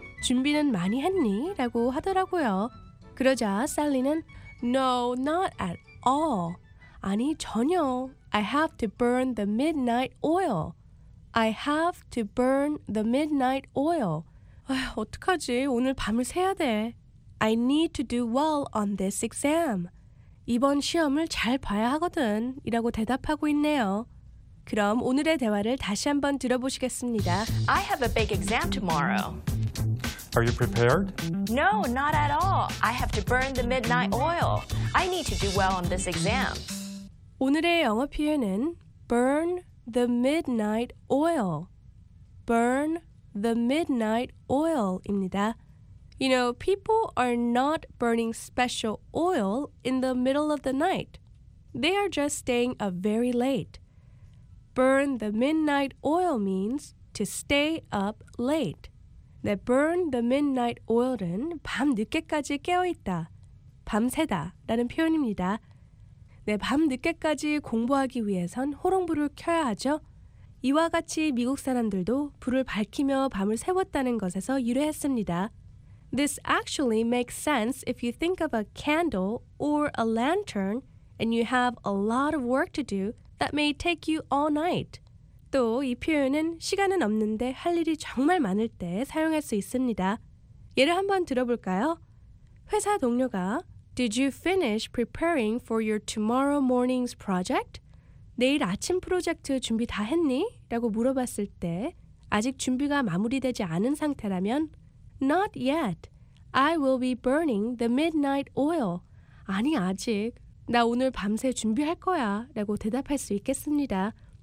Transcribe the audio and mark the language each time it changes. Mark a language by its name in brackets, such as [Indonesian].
[Korean] 준비는 많이 했니? 라고 하더라고요. 그러자 셀리는 [English] No, not at all. [Korean] 아니, 전혀. [English] I have to burn the midnight oil. I have to burn the midnight oil. [Korean] 아휴, 어떡하지? 오늘 밤을 새야 돼. [English] I need to do well on this exam. [Korean] 이번 시험을 잘 봐야 하거든. 이라고 대답하고 있네요. 그럼 오늘의 대화를 다시 한번 들어보시겠습니다. [English] I have a big exam tomorrow. Are you prepared? No, not at all. I have to burn the midnight oil. I need to do well on this exam. [Korean] 오늘의 영어 표현은 burn the midnight oil. Burn the midnight oil입니다. [English] You know, people are not burning special oil in the middle of the night. They are just staying up very late. Burn the midnight oil means to stay up late. [Korean] 네, burn the midnight oil은 밤 늦게까지 깨어있다, 밤새다 라는 표현입니다. 네, 밤 늦게까지 공부하기 위해선 호롱불을 켜야 하죠. 이와 같이 미국 사람들도 불을 밝히며 밤을 새웠다는 것에서 유래했습니다. [English] This actually makes sense if you think of a candle or a lantern and you have a lot of work to do that may take you all night. [Korean] 또 이 표현은 시간은 없는데 할 일이 정말 많을 때 사용할 수 있습니다. 예를 한번 들어볼까요? 회사 동료가 [English] Did you finish preparing for your tomorrow morning's project? [Korean] 내일 아침 프로젝트 준비 다 했니? 라고 물어봤을 때 아직 준비가 마무리되지 않은 상태라면 [English] Not yet. I will be burning the midnight oil. [Korean] 아니, 아직. 나 오늘 밤새 준비할 거야 라고 대답할 수 있겠습니다.